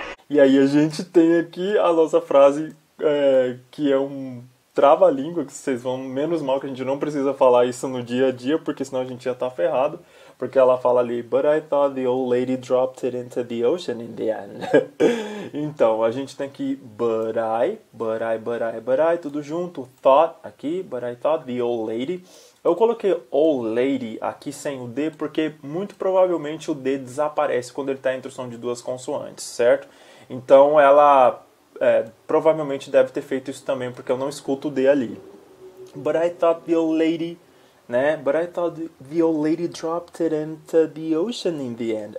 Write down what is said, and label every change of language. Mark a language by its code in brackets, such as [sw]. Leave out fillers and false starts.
[pt] E aí a gente tem aqui a nossa frase, que é um trava-língua, que vocês vão, menos mal que a gente não precisa falar isso no dia a dia, porque senão a gente ia estar ferrado. Porque ela fala ali, [en] but I thought the old lady dropped it into the ocean in the end. [pt] Então, a gente tem aqui, [en] but I, [pt] tudo junto, [en] thought aqui, but I thought the old lady. [pt] Eu coloquei [en] old lady [pt] aqui sem o D, porque muito provavelmente o D desaparece quando ele está entre o som de duas consoantes, certo? Então, ela provavelmente deve ter feito isso também, porque eu não escuto o D ali. [en] But I thought the old lady. Né? But I thought the old lady dropped it into the ocean in the end.